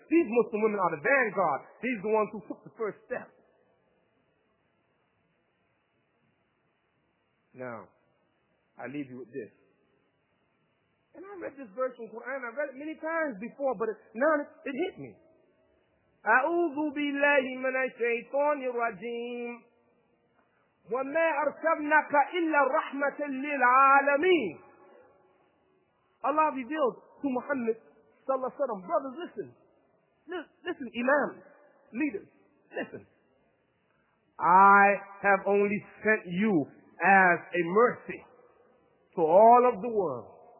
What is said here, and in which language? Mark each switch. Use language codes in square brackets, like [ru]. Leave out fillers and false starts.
[en] These Muslim women are the vanguard. These are the ones who took the first step. Now, I leave you with this. And I read this verse in Quran. I read it many times before, but now it hit me. [ar] أعوذ بالله من الشيطان الرجيم وما أرسلناك إلا رحمة للعالمين. [en] Allah revealed to Muhammad صلى الله عليه وسلم, brothers, listen. Listen, imams, leaders, listen. I have only sent you as a mercy to all of the world.